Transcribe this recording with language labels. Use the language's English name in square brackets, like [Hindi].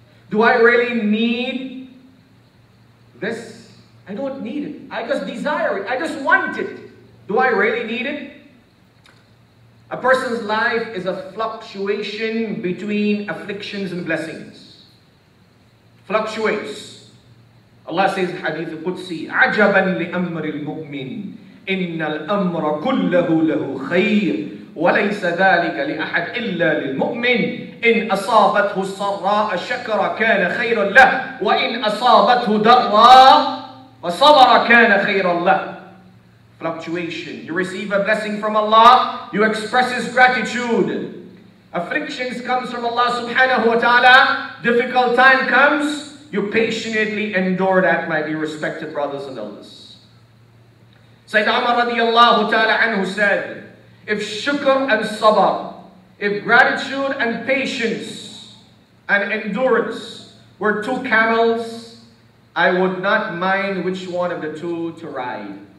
[English] Do I really need this? I don't need it. I just desire it. I just want it. Do I really need it? A person's life is a fluctuation between afflictions and blessings. Fluctuates. Allah says in Hadith al-Qudsi, [Arabic] عَجَبًا لِأَمْرِ الْمُؤْمِنِ إِنَّ الْأَمْرَ كُلَّهُ لَهُ خَيْرٍ وَلَيْسَ ذَٰلِكَ لِأَحَدْ إِلَّا لِلْمُؤْمِنِ إِنْ أَصَابَتْهُ السَّرَّاءَ شَكَرَ كَانَ خَيْرًا لَهُ وَإِنْ أَصَابَتْهُ دَرَّاءَ فَصَبَرَ كَانَ خَيْرًا لَهُ. [English] Fluctuation. You receive a blessing from Allah, you express His gratitude. Afflictions comes from Allah subhanahu wa ta'ala. Difficult time comes, you patiently endure that, my dear respected brothers and elders. Sayyidina Umar radiallahu ta'ala anhu said, if shukr and sabr, if gratitude and patience and endurance were two camels, I would not mind which one of the two to ride.